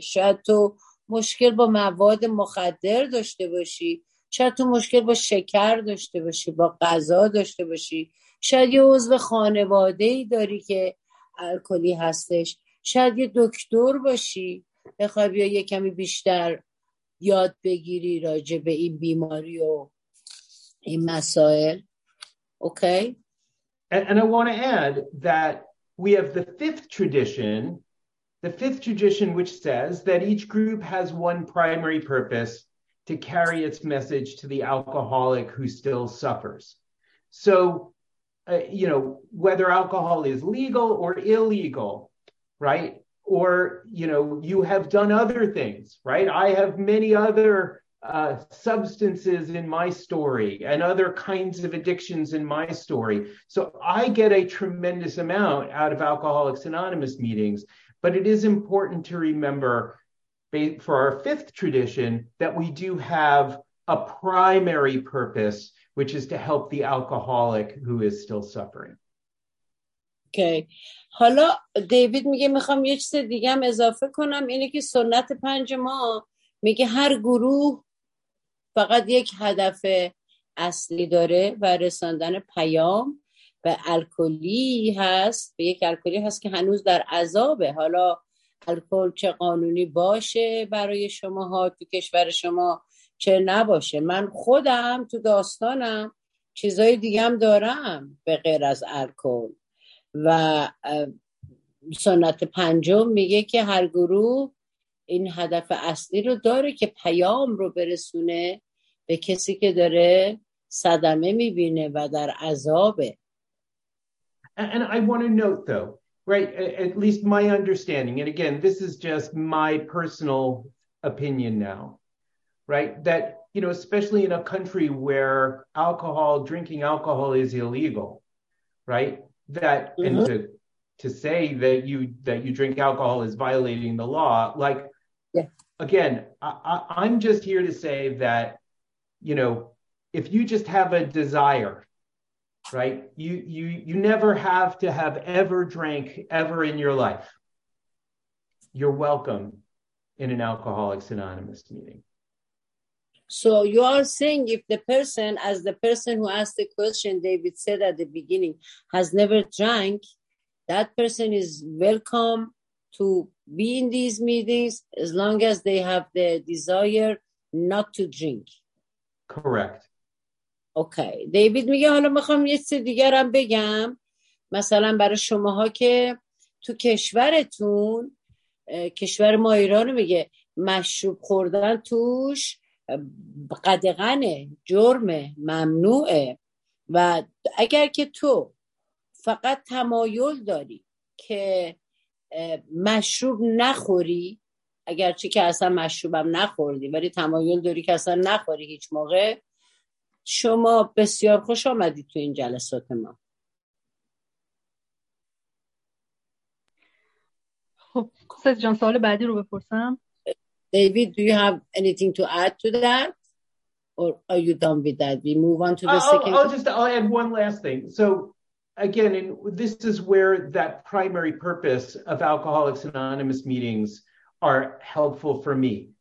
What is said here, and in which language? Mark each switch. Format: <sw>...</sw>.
<fa>شاید تو مشکل با مواد مخدر داشته باشی، شاید تو مشکل با شکر داشته باشی، با غذا داشته باشی، شاید یه عضو خانواده‌ای داری که الکلی هستش، شاید یه دکتر باشی بخوای بیا یه کمی بیشتر یاد بگیری راجع به این بیماری و این مسائل. اوکی.</fa> <en>And I want to add that we have the fifth tradition, which says that each group has one primary purpose to carry its message to the alcoholic who still suffers. So, you know, whether alcohol is legal or illegal, right? Or, you know, you have done other things, right? I have many other substances in my story and other kinds of addictions in my story. So I get a tremendous amount out of Alcoholics Anonymous meetings, but it is important to remember for our fifth tradition that we do have a primary purpose, which is to help the alcoholic who is still suffering. Okay.</en> <fa>حالا دیوید میگه میخوام یه چیز دیگه هم اضافه کنم، اینه که سنت پنج ما میگه هر گروه فقط یک هدف اصلی داره و رساندن پیام به الکلی هست، به یک الکلی هست که هنوز در عذابه. حالا الکل چه قانونی باشه برای شما ها تو کشور شما چه نباشه. من خودم تو داستانم چیزای دیگه هم دارم به غیر از الکل، و سنت پنجم میگه که هر گروه این هدف اصلی رو داره که پیام رو برسونه به کسی که داره صدمه میبینه و در عذابه.</fa> <en>And I want to note though, right, at least my understanding, and again, this is just my personal opinion now, right, that, you know, especially in a country where alcohol, drinking alcohol is illegal, right, that, mm-hmm. and to say that you drink alcohol is violating the law, like, yeah. Again, I'm just here to say that, you know, if you just have a desire, right, you never have to have ever drank ever in your life. You're welcome in an Alcoholics Anonymous meeting. So you are saying if the person, as the person who asked the question David said at the beginning, has never drank, that person is welcome to be in these meetings as long as they have the desire not to drink. Correct.</en> <fa>اوکی. دیوید میگه حالا میخوام یه چیز دیگر هم بگم، مثلا برای شماها که تو کشورتون، کشور ما ایرانو میگه، مشروب خوردن توش قدغنه، جرمه، ممنوعه، و اگر که تو فقط تمایل داری که مشروب نخوری، اگرچه که اصلا مشروبم نخوردی ولی تمایل داری که اصلا نخوری هیچ موقع، شما بسیار خوش آمدید تو این جلسات ما. خب سید جان، سوال بعدی رو بپرسم.</fa> <en>David, do you have anything to add to that or are you done with that? We move on to the second. I'll add one last thing. So again, and this is where that primary purpose of Alcoholics Anonymous meetings are helpful for me.</en>